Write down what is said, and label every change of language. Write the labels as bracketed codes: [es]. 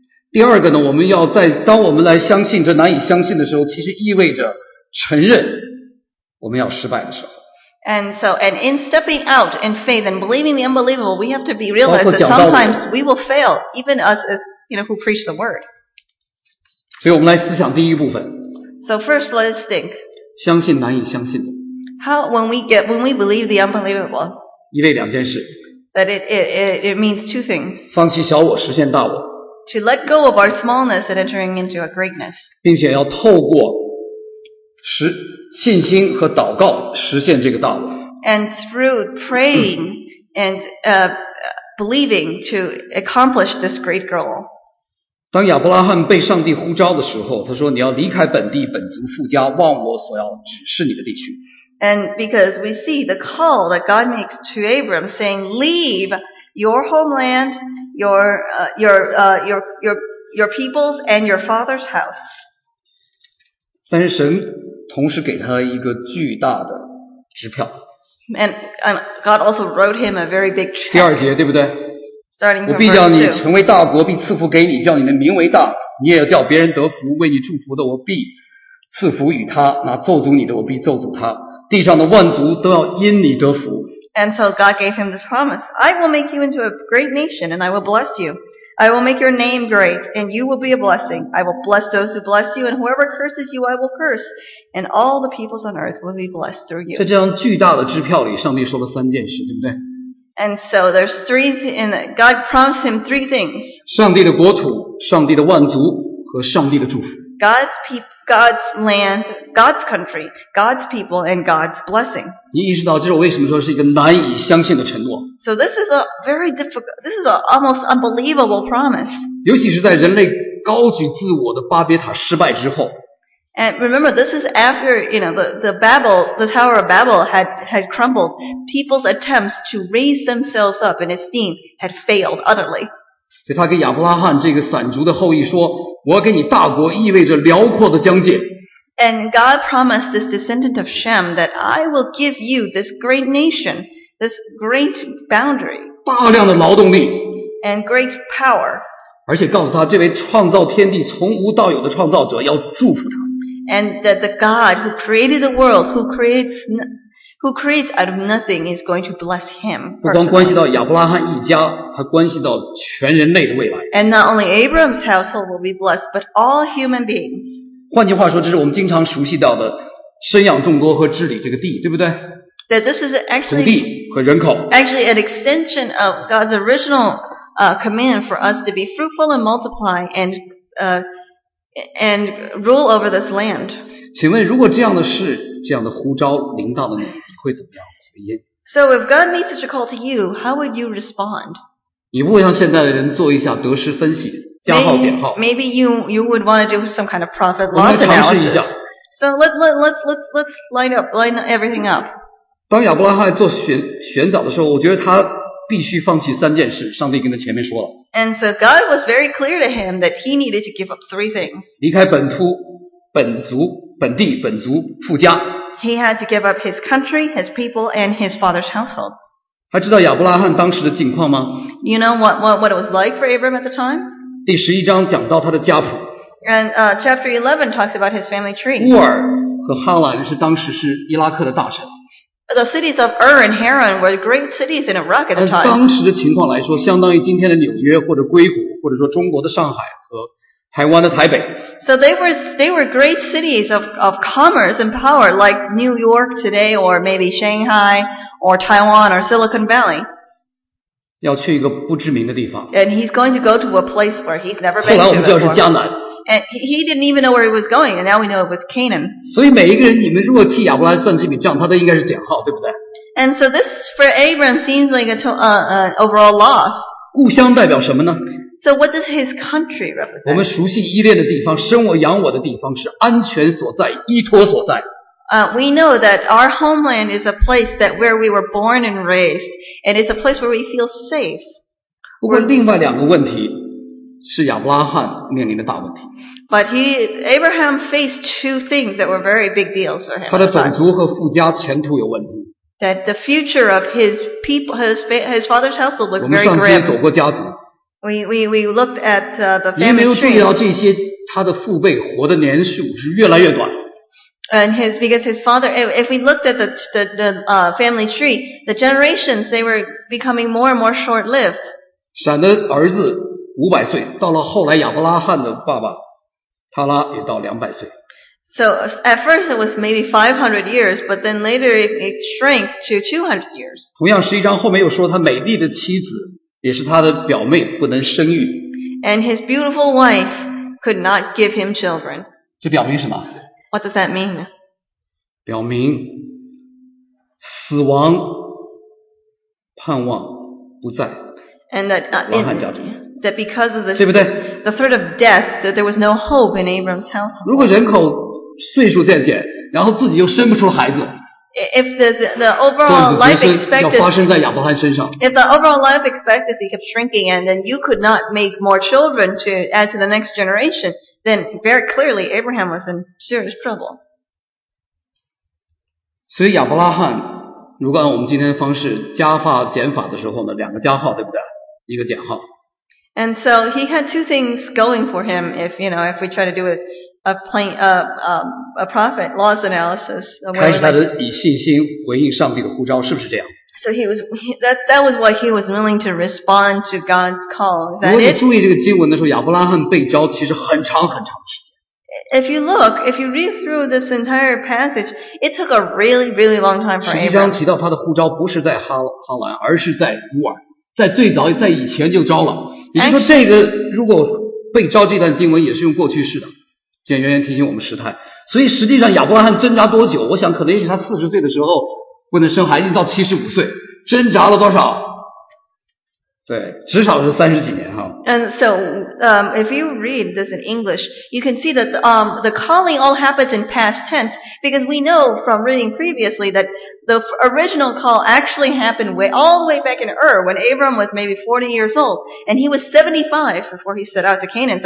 [zh] 第二个呢，我们要在当我们来相信这难以相信的时候，其实意味着承认我们要失败的时候。 [en] And so, and in stepping out in faith and believing the unbelievable, we have to be realized that sometimes we will fail, even us as, you know, who preach the word. [zh] 所以我们来思想第一部分。 [en] So first, let us think. [zh] 相信难以相信的。 [en] How, when we believe the unbelievable. [zh] 意味两件事。 [en] That it means two things. [zh] 放弃小我，实现大我。 [en] To let go of our smallness and entering into a greatness. [zh] 并且要透过实信心和祷告实现这个道路。 [en] And through praying and believing to accomplish this great goal. [zh] 当亚伯拉罕被上帝呼召的时候，他说：“你要离开本地、本族、富家，往我所要指示你的地区。” [en] And because we see the call that God makes to Abram, saying, "Leave your homeland, your peoples, and your father's house." [zh] 但是神同时给他一个巨大的支票。 [en] And God also wrote him a very big check. [zh] 第二节对不对？ [en] Starting from [zh] 我必叫你成为大国，必赐福给你，叫你的名为大，你也要叫别人得福。为你祝福的，我必赐福与他；那咒诅你的，我必咒诅他。地上的万族都要因你得福。 [en] And so God gave him this promise: I will make you into a great nation, and I will bless you. I will make your name great, and you will be a blessing. I will bless those who bless you, and whoever curses you, I will curse. And all the peoples on earth will be blessed through you. [zh] 在这张巨大的支票里，上帝说了三件事，对不对？ [en] And so there's three, and God promised him three things. [zh] 上帝的国土，上帝的万族，和上帝的祝福。 [en] God's people, God's land, God's country, God's people, and God's blessing. [zh] 你意识到这是我为什么说是一个难以相信的承诺？ [en] So this is a very difficult, this is an almost unbelievable promise. [zh] 尤其是在人类高举自我的巴别塔失败之后。 [en] And remember, this is after, you know, the Tower of Babel had crumbled. People's attempts to raise themselves up in esteem had failed utterly. [zh] 所以他跟亚伯拉罕这个散族的后裔说，我要给你大国，意味着辽阔的疆界。 [en] And God promised this descendant of Shem that I will give you this great nation, this great boundary. [zh] 大量的劳动力。 [en] And great power. [zh] 而且告诉他，这位创造天地从无到有的创造者要祝福他。 [en] And that the God who created the world, who creates out of nothing is going to bless him. [zh] 不光关系到亚伯拉罕一家，还关系到全人类的未来。 [en] And not only Abram's household will be blessed, but all human beings. [zh] 换句话说，这是我们经常熟悉到的生养众多和治理这个地，对不对？ [en] That this is actually [zh] 土地和人口。 [en] Actually an extension of God's original command for us to be fruitful and multiply and rule over this land. [zh] 请问如果这样的事，这样的呼召临到了你，你会怎么样回应？ [en] So if God makes such a call to you, how would you respond? [zh] 你不会像现在的人做一下得失分析，加号减号。 [en] Maybe you would want to do some kind of profit loss analysis. [zh] 我们来尝试一下。 [en] So let's line everything up. [zh] 当亚伯拉罕做选择的时候，我觉得他必须放弃三件事，上帝跟他前面说了。 [en] And so God was very clear to him that he needed to give up three things. [zh] 离开本土、本族、本地、本族、富家。 [en] He had to give up his country, his people, and his father's household. [zh] 还知道亚伯拉罕当时的境况吗？ [en] You know what it was like for Abram at the time? [zh] 第十一章讲到他的家谱。 [en] And chapter 11 talks about his family tree. [zh] 乌尔和哈兰是当时是伊拉克的大臣。 [en] The cities of Ur and Haran were great cities in Iraq at the time. [zh] 按当时的情况来说，相当于今天的纽约或者硅谷，或者说中国的上海和台湾的台北。 [en] So they were great cities of commerce and power, like New York today, or maybe Shanghai, or Taiwan, or Silicon Valley. [zh] 要去一个不知名的地方。 [en] And he's going to go to a place where he's never been before. [zh] 后来我们知道是迦南。 [en] And he didn't even know where he was going, and now we know it was Canaan. [zh] 所以每一个人，你们如果替亚伯拉罕算这笔账，他都应该是减号，对不对？ [en] And so this for Abram seems like an overall loss. [zh] 故乡代表什么呢？ [en] So what does his country represent? [zh] 我们熟悉依恋的地方，生我养我的地方，是安全所在，依托所在。 [en] We know that our homeland is a place that where we were born and raised, and it's a place where we feel safe. [zh] 不过另外两个问题是亚伯拉罕面临的大问题。 [en] But Abraham faced two things that were very big deals for him. [zh] 他的种族和富家前途有问题。 [en] That the future of his people, his father's household looked very grim. [zh] 我们上次走过家族。 [en] We looked at the family tree. [zh] 你没有注意到这些，他的父辈活的年数是越来越短。 [en] And because his father, if we looked at the family tree, the generations, they were becoming more and more short-lived. [zh] 闪的儿子500岁，到了后来亚伯拉罕的爸爸塔拉也到200岁。 [en] So at first it was maybe 500 years, but then later it shrank to 200 years. [zh] 同样十一章后面又说他美丽的妻子也是他的表妹不能生育。 [en] And his beautiful wife could not give him children. [zh] 这表明什么？ [en] What does that mean? [zh] 表明死亡盼望不在。 [en] And that, that because of the, [zh] 对不对? [en] The threat of death, that there was no hope in Abram's household. [zh] 如果人口岁数渐减，然后自己又生不出孩子。 [en] If the overall life expectancy, [zh] 要发生在亚伯拉罕身上。 [en] If the overall life expectancy kept shrinking and then you could not make more children to add to the next generation, then very clearly Abraham was in serious trouble. [zh] 所以亚伯拉罕，如果按我们今天的方式加法减法的时候呢，两个加号对不对？一个减号。 [en] And so he had two things going for him. If you know, if we try to do a prophet laws analysis. [zh] 开始他的以信心回应上帝的呼召，是不是这样 [en] ？So he was that was what he was willing to respond to God's call. [zh] 如果你注意这个经文的时候，亚伯拉罕被召其实很长很长时间。 [en] If you read through this entire passage, it took a really, really long time for Abraham. [zh] 十一章提到他的呼召不是在哈兰，而是在乌尔，在最早在以前就招了。也就是说，这个如果被召这段经文也是用过去式的。简圆圆提醒我们时态，所以实际上亚伯拉罕挣扎多久？我想可能也许他40岁的时候不能生孩子，到75岁，挣扎了多少？对，至少是30几年哈。 [en] And so, if you read this in English, you can see that the calling all happens in past tense because we know from reading previously that the original call actually happened all the way back in Ur when Abram was maybe 40 years old and he was 75 before he set out to Canaan.